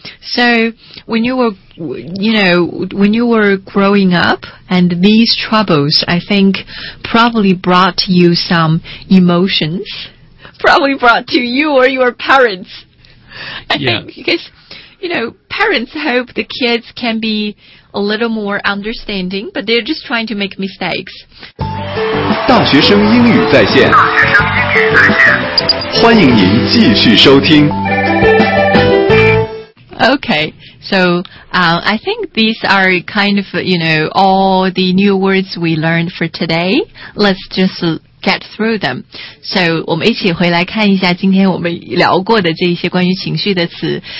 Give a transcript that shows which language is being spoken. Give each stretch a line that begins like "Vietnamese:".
English: So, when you were growing up, and these troubles, I think, probably brought you some emotions. Probably brought to you or your parents. I think, because, you know, parents hope the kids can be... a little more understanding, but they're just trying to make mistakes.
Chinese: 大学生英语在线，欢迎您继续收听。
English: Okay, so I think these are kind of, you know, all the new words we learned for today. Let's just get through them.
Chinese: So 我们一起回来看一下今天我们聊过的这一些关于情绪的词。